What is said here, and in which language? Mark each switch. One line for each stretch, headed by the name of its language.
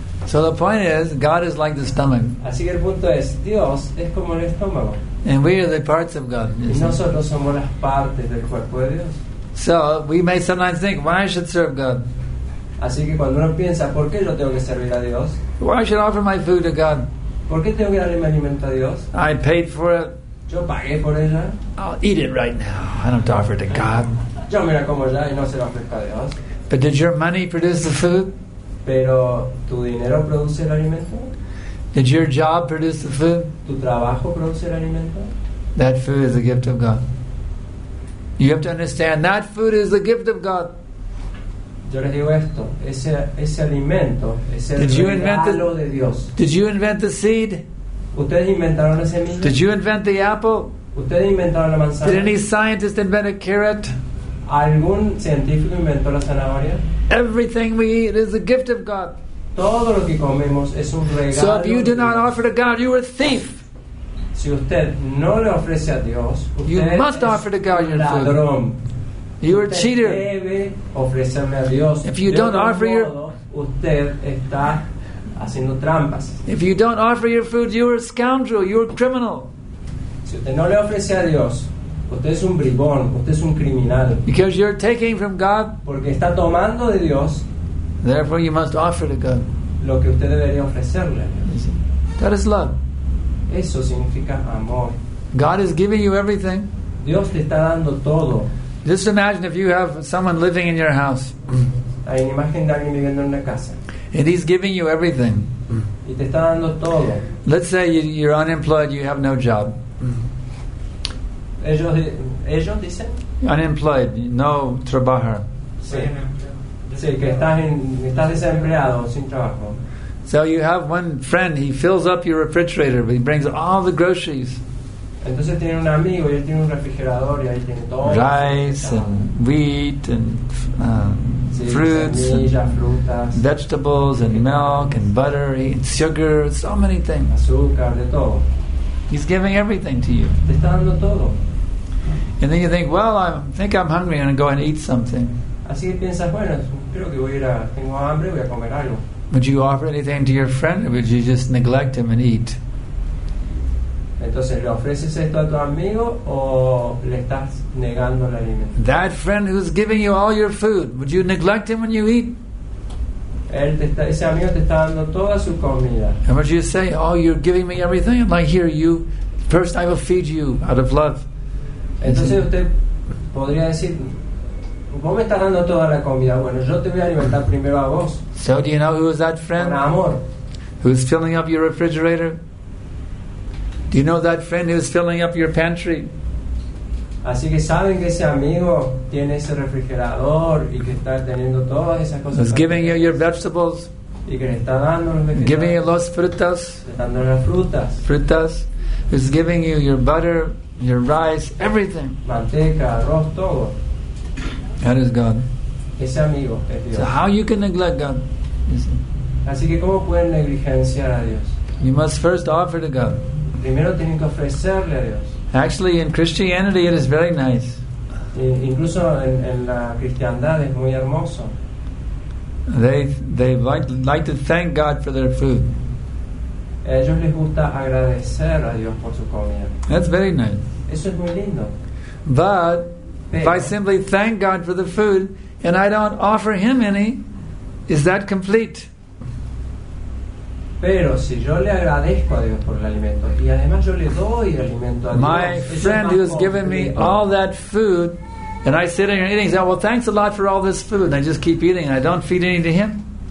English: So the point is, God is like the stomach.
Spanish: Así que el punto es, Dios es como el estómago.
English: And we are the parts of God.
Spanish: Y nosotros somos las partes del cuerpo de Dios.
English: So we may sometimes think, why I should serve God?
Spanish: Así que cuando uno piensa, ¿por qué yo tengo que servir a Dios?
English: Why I should offer my food to God?
Spanish: ¿Por qué tengo que darle mi alimento a Dios?
English: I paid for it.
Spanish: Yo pagué por ella.
English: I'll eat it right now. I don't offer it to God.
Spanish: Yo me la como ya y no se la ofrezco a Dios.
English: But did your money produce the food?
Spanish: ¿Pero tu dinero produce el alimento?
English: Did your job produce the food?
Spanish: ¿Tu trabajo produce el alimento?
English: That food is a gift of God. You have to understand that food is the gift of God.
Spanish: Yo les digo esto, ese alimento es el regalo de Dios.
English: Did you invent the seed?
Spanish: ¿Ustedes inventaron la semilla?
English: Did you invent the apple?
Spanish: ¿Ustedes inventaron la manzana?
English: Did any scientist invent a carrot?
Spanish: ¿Algún científico inventó la zanahoria?
English: Everything we eat is a gift of God.
Spanish: Todo lo que comemos es un regalo.
English: So if you do not offer to God, you are a thief.
Spanish: Si usted no le ofrece a Dios, usted
English: you must offer to God your
Spanish: ladrón.
English: Food. You are a cheater.
Spanish: Debe ofrecerme a Dios.
English: If you don't offer your
Spanish: usted está haciendo trampas.
English: If you don't offer your food, you are a scoundrel, you are a criminal.
Spanish: Si usted no le ofrece a Dios, usted es un bribón, usted es un criminal.
English: Because you're taking from God,
Spanish: porque está tomando de Dios.
English: Therefore you must offer to God.
Spanish: Lo que usted debería ofrecerle a Dios.
English: That is love.
Spanish: Eso significa amor.
English: God is giving you everything.
Spanish: Dios te está dando todo.
English: Just imagine if you have someone living in your house. And he's giving you everything.
Spanish: Y te está dando todo.
English: Let's say you're unemployed, you have no job.
Spanish: Ellos dicen?
English: Unemployed,
Spanish: no trabajar. Sí, que estás desempleado, sin trabajo.
English: So you have one friend, he fills up your refrigerator, but he brings all the groceries.
Spanish: Entonces tiene un amigo y él tiene un refrigerador y ahí tiene todo.
English: Rice and wheat and fruits,
Spanish: semillas, frutas,
English: vegetables and milk and butter and sugar, so many things.
Spanish: Azúcar, de todo.
English: He's giving everything to you.
Spanish: Te está dando todo.
English: And then you think, well, I think I'm hungry, I'm going to go and eat something.
Spanish: Así que piensas, bueno, creo que voy a ir a, tengo hambre, voy a comer algo.
English: Would you offer anything to your friend or would you just neglect him and eat?
Spanish: Entonces, ¿le ofreces esto a tu amigo o le estás negando el alimento?
English: That friend who's giving you all your food, would you neglect him when you eat?
Spanish: Él te está, ese amigo te está dando toda su comida.
English: And would you say, oh, you're giving me everything? I'm like, here, you, first I will feed you out of love.
Spanish: Entonces usted podría decir, vos me estás dando toda la comida. Bueno, yo te voy a alimentar primero a vos.
English: So do you know who is that friend?
Spanish: Con amor.
English: Who's filling up your refrigerator? Do you know that friend who's filling up your pantry?
Spanish: Así que saben que ese amigo tiene ese refrigerador y que está teniendo todas esas cosas.
English: Who's giving you your vegetables?
Spanish: Y que le está dando los vegetales.
English: Giving you
Spanish: los frutas. Le está dando las frutas. Frutas.
English: Who's giving you your butter, your rice, everything.
Spanish: Manteca, arroz, todo.
English: That is God.
Spanish: Ese amigo es Dios.
English: So how you can neglect God?
Spanish: Así que cómo pueden negligenciar a Dios.
English: You must first offer to God.
Spanish: Primero tienen que ofrecerle a Dios.
English: Actually, in Christianity, it is very nice.
Spanish: Incluso en la cristiandad es muy hermoso.
English: They like to thank God for their food.
Spanish: A ellos les gusta agradecer a Dios por su comida.
English: That's very nice.
Spanish: Eso es muy lindo.
English: But if I simply thank God for the food and I don't offer him any, is that complete?
Spanish: Pero si yo le agradezco a Dios por el alimento y además yo le doy el alimento a Dios,
English: my friend who has given me all that food and I sit here eating, he says, well, thanks a lot for all this food, and I just keep eating and I don't feed any to him.